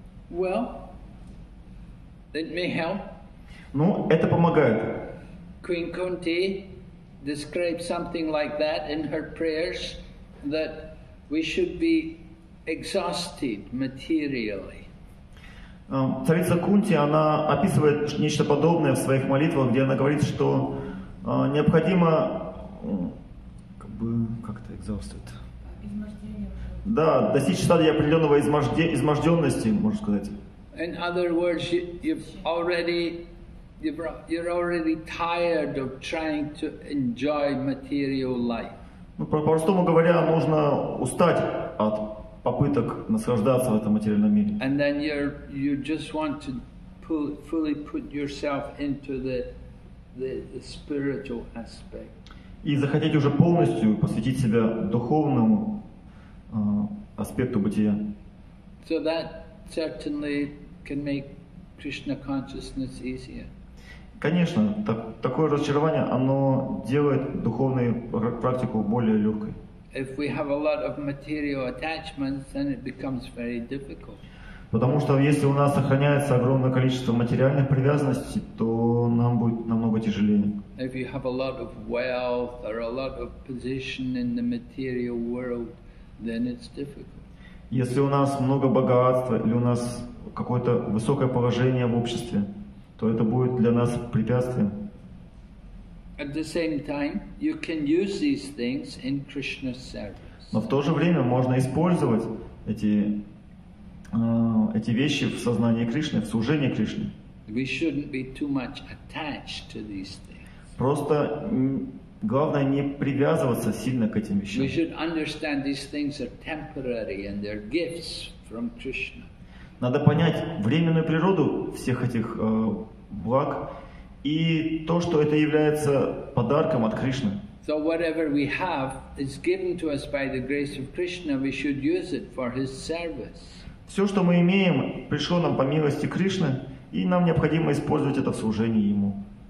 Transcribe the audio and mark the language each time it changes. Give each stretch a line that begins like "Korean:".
English: Well, it may help.
Russian: Ну, это помогает.
English: Queen Kunti describes something like that in her prayers, that we should be exhausted materially.
Russian: Царица Кунти, она описывает нечто подобное в своих молитвах, где она говорит, что необходимо, как бы, как-то exhausted. Да, достичь стадии определенного изможденности, можно сказать.
English: In other words, you're already tired of trying to enjoy material life.
Russian: Ну, по-простому говоря, нужно устать от попыток наслаждаться в этом материальном мире.
English: And then you just want to fully put yourself into the spiritual aspect.
Russian: И захотеть уже полностью посвятить себя духовному аспекту бытия.
English: So that certainly can make Krishna consciousness easier.
Russian: Конечно, такое разочарование, оно делает духовную практику более легкой.
English: If we have a lot of material attachments, then it becomes very difficult.
Russian: Потому что если у нас сохраняется огромное количество материальных привязанностей, то нам будет намного тяжелее.
English: If you have a lot of wealth or a lot of position in the material world, then it's difficult.
Russian: Если у нас много богатства или у нас какое-то высокое положение в обществе, то это будет для нас препятствием.
English: At the same time, you can use these things in Krishna's service.
Russian: Но в то же время можно использовать эти вещи в сознании Кришны, в служении Кришне.
English: We shouldn't be too much attached to these things.
Russian: Просто Главное не привязываться сильно к этим вещам.
English: We should understand these things are temporary and they're gifts from Krishna.
Russian: Надо понять временную природу всех этих благ и то, что это является подарком от Кришны.
English: So whatever we have is given to us by the grace of Krishna, we should use it for His service.
Russian: Все, что мы имеем, пришло нам по милости Кришны, и нам необходимо использовать это в служении Ему.